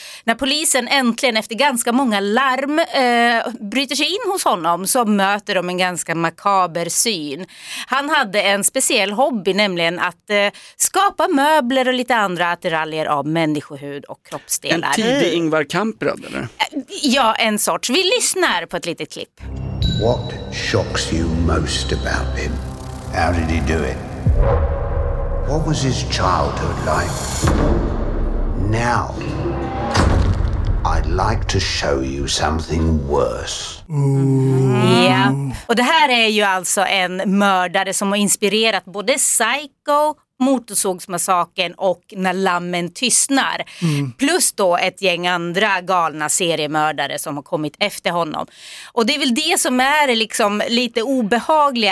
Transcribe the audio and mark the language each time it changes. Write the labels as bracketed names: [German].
[Swedish] När polisen äntligen efter ganska många larm bryter sig in hos honom, så möter de en ganska makaber syn. Han hade en speciell hobby, nämligen att skapa möbler och lite andra attiraljer av människohud och kroppsdelar. En tidig Ingvar Kamprad, eller? Ja, en sorts. Vi lyssnar på ett litet klipp. [English] What shocks you most about him? How did he do it? What was his childhood like? Now I'd like to show you something worse. [Swedish] Ja, och det här är ju alltså en mördare som har inspirerat både Psycho, Motorsågsmassaken och När lammen tystnar. Mm. Plus då ett gäng andra galna seriemördare som har kommit efter honom. Och det är väl det som är liksom lite obehagliga.